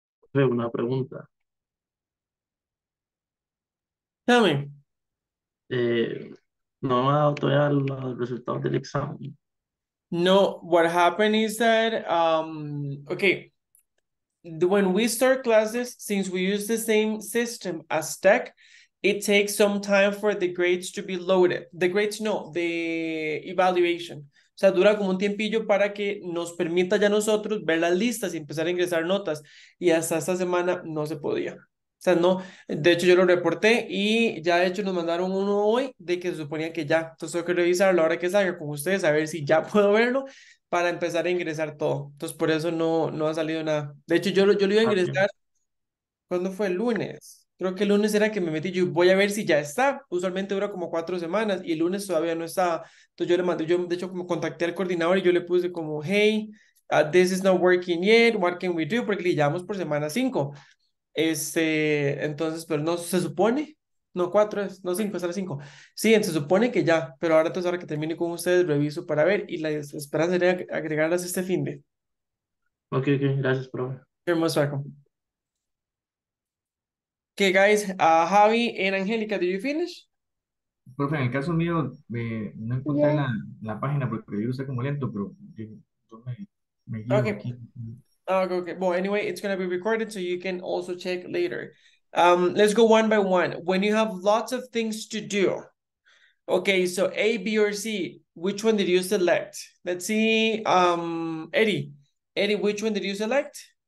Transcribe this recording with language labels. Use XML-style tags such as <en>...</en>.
<es>Profe, una pregunta.</es> <en>Tell me.</en> <es>No me ha dado todavía los resultados del examen.</es> <en>No, what happened is that, okay, when we start classes, since we use the same system as tech, it takes some time for the grades to be loaded. The grades, no, the evaluation.</en> <es>O sea, dura como un tiempillo para que nos permita ya nosotros ver las listas y empezar a ingresar notas. Y hasta esta semana no se podía. O sea, no. De hecho, yo lo reporté y ya de hecho nos mandaron uno hoy de que se suponía que ya. Entonces, tengo que revisarlo ahora que salga con ustedes a ver si ya puedo verlo para empezar a ingresar todo. Entonces, por eso no ha salido nada. De hecho, yo lo iba a ingresar. ¿Cuándo fue? El lunes. Creo que el lunes era que me metí. Yo voy a ver si ya está. Usualmente dura como 4 semanas y el lunes todavía no estaba. Entonces, yo le mandé. Yo, de hecho, como contacté al coordinador y yo le puse como,</es> <en>hey, this is not working yet. What can we do?</en> <es>Porque le llamamos por semana 5. Entonces, pero no se supone, no 4 es, no 5, será 5. Sí, se supone que ya, pero ahora entonces, ahora que termine con ustedes, reviso para ver y la esperanza sería agregarlas este fin de. Ok, gracias, profe.</es> <en>You're most welcome. Okay, guys, Javi and Angélica, did you finish?</en> <es>Profe, en el caso mío, no encontré la página porque yo usé como lento, pero yo me guío</es> <en>okay.</en> <es>Aquí.</es> <en>Okay. Well, anyway, it's going to be recorded, so you can also check later. Let's go one by one. When you have lots of things to do, okay, so A, B, or C, which one did you select? Let's see, Eddie, which one did you select?</en>